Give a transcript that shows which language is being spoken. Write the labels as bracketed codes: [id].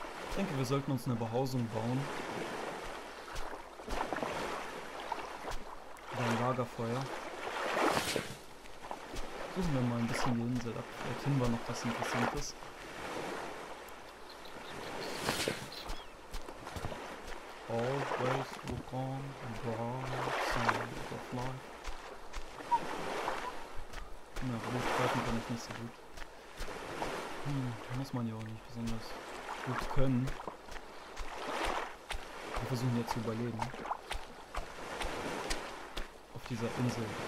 [de] Ich denke, wir sollten uns eine Behausung bauen. Oder ein Lagerfeuer. Suchen wir mal ein bisschen die Insel ab. Vielleicht finden wir noch was Interessantes. [en] Always look on the bright side of life. [de] Na, gut, schreiben kann ich nicht so gut. Muss man ja auch nicht besonders. Können. Wir versuchen jetzt zu überleben. Auf dieser Insel.